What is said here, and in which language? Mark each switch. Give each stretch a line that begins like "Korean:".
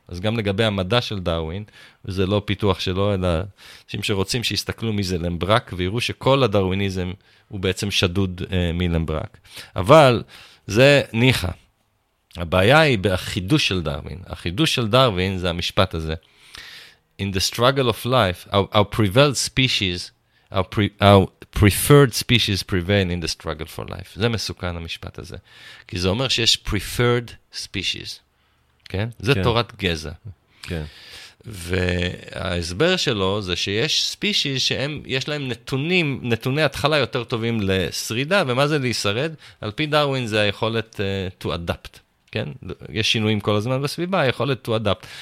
Hebrew: אז גם לגבי המדע של דרווין, זה לא פיתוח שלו, אלא אנשים שרוצים שיסתכלו מזה למברק, ויראו שכל הדרוויניזם הוא בעצם שדוד מלמברק. אבל זה ניחא. הבעיה היא בחידוש של דרווין. החידוש של דרווין זה המשפט הזה.
English: In the struggle of life, our prevailed species, our preferred species prevail in the struggle for life.
Hebrew: זה מסוכן המשפט הזה. כי זה אומר שיש
English: preferred species.
Hebrew: כן? זה תורת גזע. כן. וההסבר שלו זה שיש ספישיז שהם, יש להם נתונים, נתוני התחלה יותר טובים לשרידה, ומה זה להישרד? על פי דרווין זה היכולת
English: to adapt,
Hebrew: כן? יש שינויים כל הזמן בסביבה, היכולת to adapt.